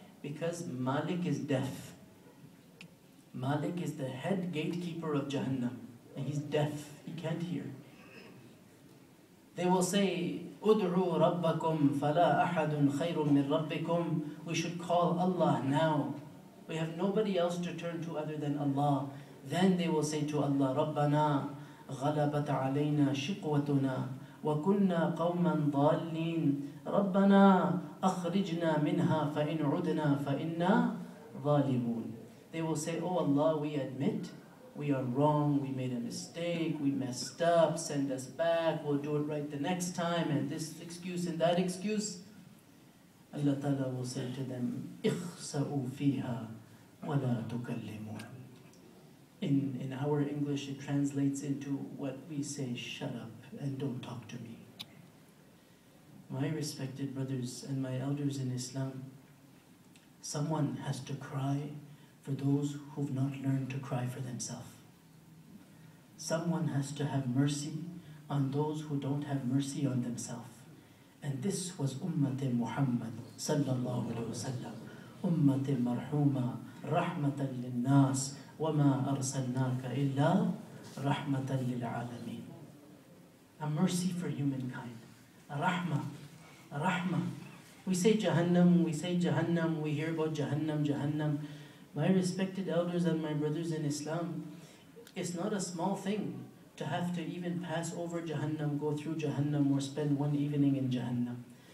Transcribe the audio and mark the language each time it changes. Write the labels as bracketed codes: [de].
[en] Because Malik is deaf. Malik is the head gatekeeper of Jahannam. And he's deaf, he can't hear. They will say, [ar] "Ud'u Rabbakum, fala ahadun khayrun min Rabbikum." [en] We should call Allah now. We have nobody else to turn to other than Allah. Then they will say to Allah, [ar] "Rabbana, غلبت علينا شقوتنا وكنا قوما ضالين ربنا أخرجنا منها فإن عدنا فإنا ظالمون." [en] They will say, "Oh Allah, we admit we are wrong, we made a mistake, we messed up, send us back, we'll do it right the next time, and this excuse and that excuse." Allah Ta'ala will say to them, [ar] "اخسأوا فيها ولا تكلمون." [en] In our English, it translates into what we say, "Shut up and don't talk to me." My respected brothers and my elders in Islam, someone has to cry for those who've not learned to cry for themselves. Someone has to have mercy on those who don't have mercy on themselves. And this was Ummati Muhammad sallallahu alayhi wasallam, Ummati Marhuma, Rahmatan lin Nas. [ar] وَمَا أَرْسَلْنَاكَ إِلَّا رَحْمَةً لِلْعَالَمِينَ. [en] A mercy for humankind. A rahmah. We say Jahannam, we hear about Jahannam. My respected elders and my brothers in Islam, it's not a small thing to have to even pass over Jahannam, go through Jahannam, or spend one evening in Jahannam.